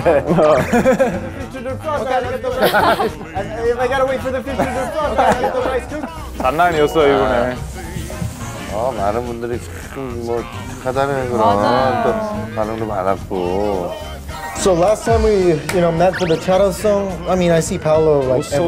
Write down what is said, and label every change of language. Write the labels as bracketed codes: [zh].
[en] If I gotta wait for the fish to drop, I gotta get the rice cooked. [ko] 장난이었어요, 이번에. 많은 분들이 참 뭐 축하다는 그런 또 반응도 많았고. [en] So last time we, you know, met for the title song, I mean, I see Paolo like every...